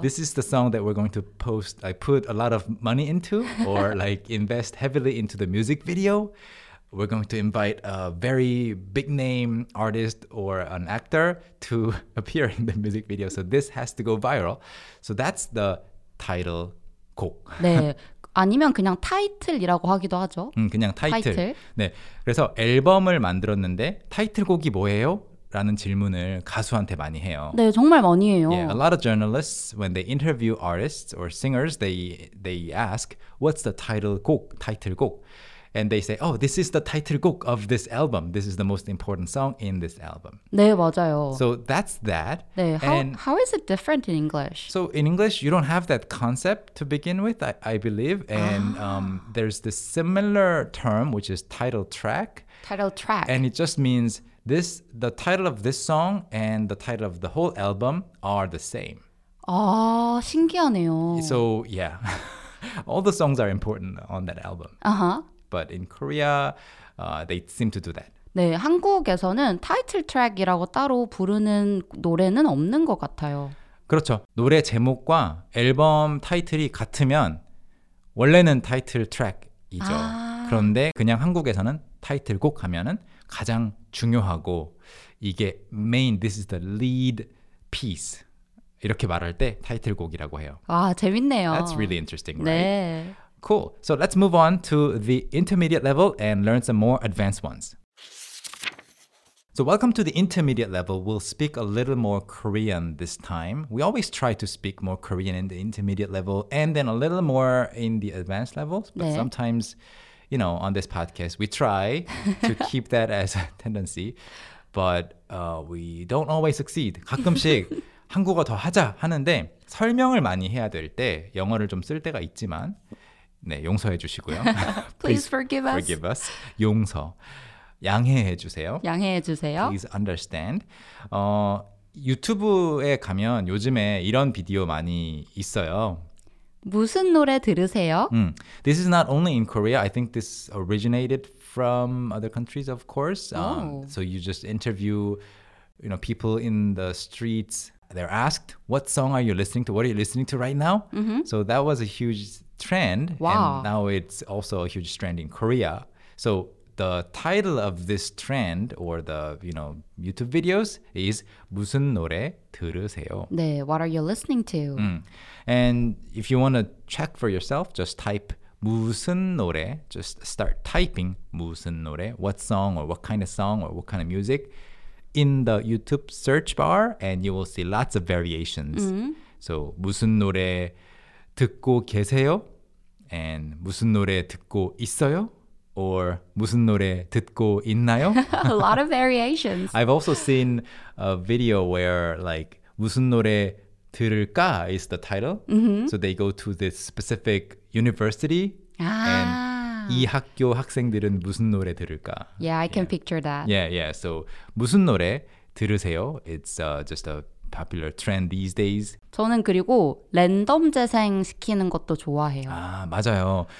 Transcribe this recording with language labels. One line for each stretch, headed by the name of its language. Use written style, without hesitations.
English: This is the song that we're going to post. I put a lot of money into or like invest heavily into the music video. We're going to invite a very big name artist or an actor to appear in the music video. So this has to go viral. So that's the title 곡.
Korean: 네. 아니면 그냥 타이틀이라고 하기도 하죠. 그냥 타이틀. 타이틀. 네. 그래서 앨범을 만들었는데 타이틀곡이 뭐예요? 라는 질문을 가수한테 많이 해요. 네, 정말 많이 해요.
English: Yeah, a lot of journalists, when they interview artists or singers, they ask, what's the title 곡, 타이틀곡? And they say, oh, this is the title 곡 of this album. This is the most important song in this album.
Korean: 네, 맞아요.
English: So that's that. 네, how is it different in English? So in English, you don't have that concept to begin with, I believe. And there's this similar term, which is title track. Title track. And it just means this, the title of this song and the title of the whole album are the same.
Korean: 아, 신기하네요.
English: So, yeah. All the songs are important on that album. Uh-huh. But in Korea, they seem to do that.
Korean: 네, 한국에서는 타이틀 트랙이라고 따로 부르는 노래는 없는 것 같아요. 그렇죠. 노래 제목과 앨범 타이틀이 같으면 원래는 타이틀 트랙이죠. 아. 그런데 그냥 한국에서는 타이틀곡 하면은 가장 중요하고 이게
English: main, this is the lead piece.
Korean: 이렇게 말할 때 타이틀곡이라고 해요. 아, 재밌네요.
English: That's really interesting, right?
Korean: 네.
English: Cool. So let's move on to the intermediate level and learn some more advanced ones. So welcome to the intermediate level. We'll speak a little more Korean this time. We always try to speak more Korean in the intermediate level and then a little more in the advanced levels. But
Korean: 네.
English: sometimes, you know, on this podcast, we try to keep that as a tendency. But we don't always succeed.
Korean: 가끔씩 한국어 더 하자 하는데 설명을 많이 해야 될 때 영어를 좀 쓸 때가 있지만 네, 용서해 주시고요.
English: Please forgive us. Forgive us.
Korean: 용서. 양해해 주세요. 양해해 주세요.
English: Please understand.
Korean: 유튜브에 가면 요즘에 이런 비디오 많이 있어요. 무슨 노래 들으세요?
English: This is not only in Korea. I think this originated from other countries, of course. So you just interview, you know, people in the streets. They're asked, what song are you listening to? What are you listening to right now? Mm-hmm. So that was a huge trend. Wow. And now it's also a huge trend in Korea. So the title of this trend or the, you know, YouTube videos is
Korean: 무슨 노래 들으세요?
English: 네, what are you listening to? And if you want to check for yourself, just type 무슨 노래. Just start typing 무슨 노래. What song or what kind of song or what kind of music in the YouTube search bar and you will see lots of variations. Mm-hmm.
Korean: So 무슨 노래 듣고 계세요? And 무슨 노래 듣고 있어요? Or 무슨 노래 듣고 있나요?
English: A lot of variations. I've also seen a video where like
Korean: 무슨 노래 들을까
English: is the title. Mm-hmm. So they go to this specific university.
Korean: 아. And 이 학교 학생들은 무슨 노래 들을까?
English: Yeah, I can picture that. Yeah, yeah.
Korean: So 무슨 노래 들으세요?
English: It's just a popular trend these days.
Korean: 저는 그리고 랜덤 재생 시키는 것도 좋아해요. 아, 맞아요.